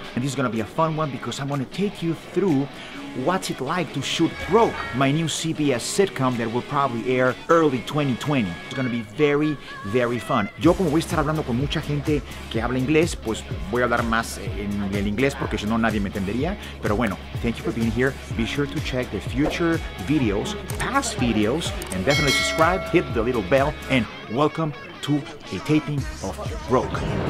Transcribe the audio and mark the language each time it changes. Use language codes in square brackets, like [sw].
[en] And this is gonna be a fun one because I'm gonna take you through what's it like to shoot Broke, my new CBS sitcom that will probably air early 2020. It's gonna be very, very fun. [es] Yo como voy a estar hablando con mucha gente que habla inglés, pues voy a hablar más en el inglés porque si no nadie me entendería. Pero bueno, [en] thank you for being here. Be sure to check the future videos, past videos, and definitely subscribe, hit the little bell, and welcome to a taping of Broke.